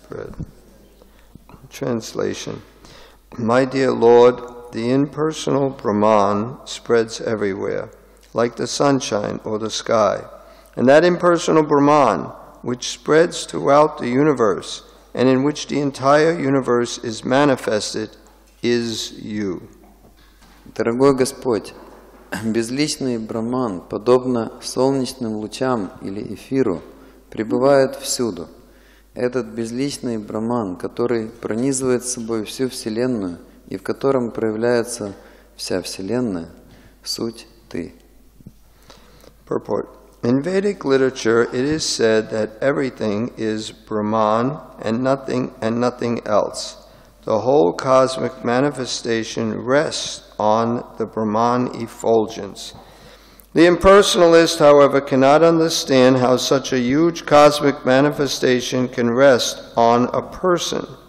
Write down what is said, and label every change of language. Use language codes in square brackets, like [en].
[en] Spread. Translation. My dear Lord, the impersonal Brahman spreads everywhere, like the sunshine or the sky. And that impersonal Brahman, which spreads throughout the universe, and in which the entire universe is manifested, is you. [ru] Дорогой Господь, безличный Брахман, подобно солнечным лучам или эфиру, пребывает всюду. Этот безличный Брахман, который пронизывает собой всю Вселенную и в котором проявляется вся Вселенная, суть ты. [en] Purport. In Vedic literature it is said that everything is Brahman and nothing else. The whole cosmic manifestation rests on the Brahman effulgence. The impersonalist, however, cannot understand how such a huge cosmic manifestation can rest on a person.